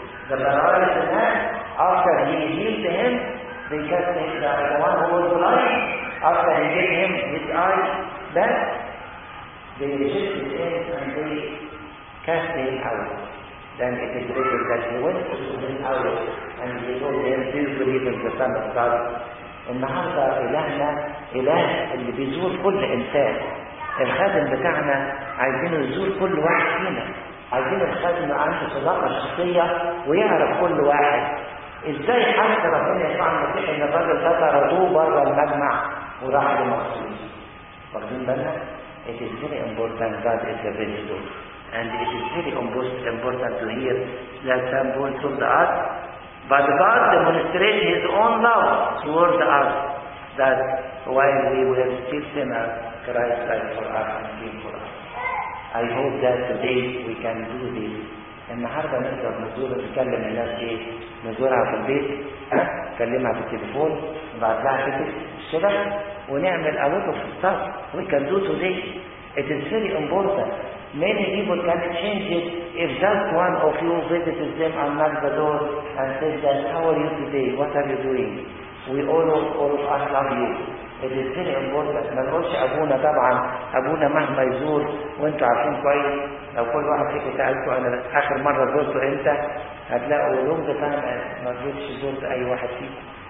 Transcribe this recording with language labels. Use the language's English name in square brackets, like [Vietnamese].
[English] The paralyzed man, after he healed him, they cast him the one who was blind. After he gave him his eyes back, they rejected him and they cast him out. Then it is written that he went to him out and he told him, do you believe in the Son of God? [Arabic] النهارده إلهنا إله اللي بيزور كل إنسان. الخادم بتاعنا عايزينه يزور كل واحد فينا. عايزين الخادم عنده صداقة شخصية ويعرف كل واحد. إزاي حتى ربنا يسوع المسيح إن الراجل ده طردوه بره المجمع وراح لمخصوص. واخدين بالنا؟ [English] It is very important God is a visitor. And it is very important to hear that Saint Paul told us, but God demonstrated his own love towards us, that while we were still sinners, Christ died for us and came for us. I hope that today we can do this. [Arabic] النهاردة نقدر نزور نتكلم الناس دي، نزورها في البيت، نكلمها في التليفون، نبعت لها كتب الصبح، ونعمل [English] a lot of stuff. We can do today. It is very important. Many people can change it if just one of you visits them and knocks the door and says that, how are you today? What are you doing? We all of us love you. It is very important. [Arabic] ما نقولش أبونا طبعا، أبونا مهما يزور وأنتوا عارفين كويس، لو كل واحد فيكم سألته أنا آخر مرة زرته أنت، هتلاقوا لونج تايم ما زرتش زرت أي واحد فيكم.